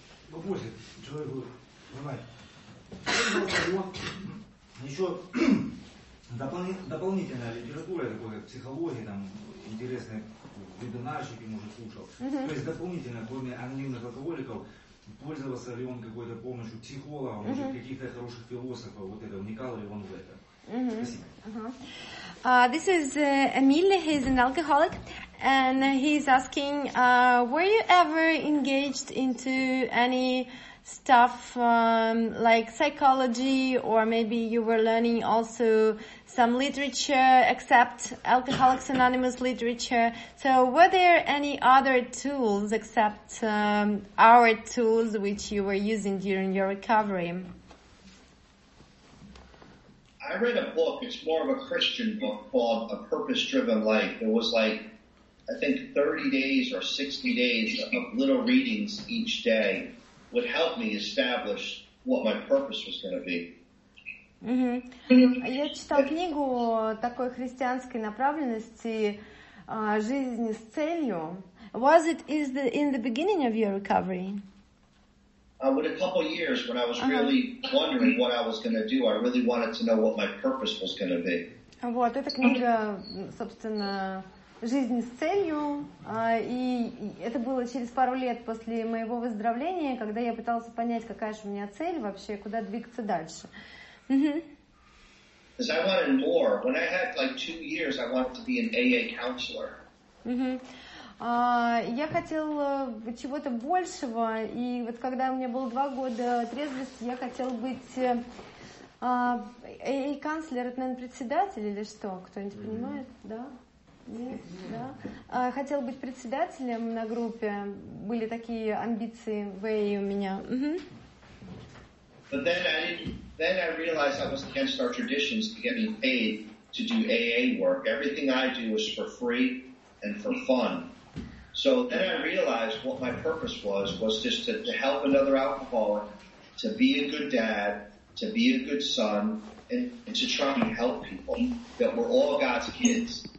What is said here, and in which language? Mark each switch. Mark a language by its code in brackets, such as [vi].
[ru] Попозже, человек говорит, понимаете, еще дополнительная литература, такая психология, там, интересные вебинарщики, может, слушал. То есть дополнительно, кроме анонимных алкоголиков, пользовался ли он какой-то помощью психолога, может, каких-то хороших философов, вот это, вникал ли он в это? [en] This is Emil, he's an alcoholic. And he's asking, were you ever engaged into any stuff like psychology, or maybe you were learning also some literature except Alcoholics Anonymous literature? So were there any other tools except our tools which you were using during your recovery? I read a book, it's more of a Christian book called A Purpose-Driven Life. It was like, I think 30 days or 60 days of little readings each day would help me establish what my purpose was going to be. [ru] Я читал книгу такой христианской направленности «Жизнь с целью». [en] Was it in the beginning of your recovery? With a couple of years when I was really wondering what I was going to do, I really wanted to know what my purpose was going to be. [ru] Вот, эта книга, собственно... «Жизнь с целью», и это было через пару лет после моего выздоровления, когда я пытался понять, какая же у меня цель вообще, куда двигаться дальше. [en] Because I wanted more. When I had like 2 years, I wanted to be an AA counselor. [ru] Я хотел чего-то большего, и вот когда у меня было 2 года трезвости, я хотел быть AA counselor, это, наверное, председатель или что? Кто-нибудь понимает, да? Нет, да. Хотела быть председателем на группе. Были такие амбиции в AA у меня. [en] But then I realized I was against our traditions to getting paid to do AA work. Everything I do was for free and for fun. So then I realized what my purpose was just to help another alcoholic, to be a good dad, to be a good son, and to try and help people, that we're all God's kids.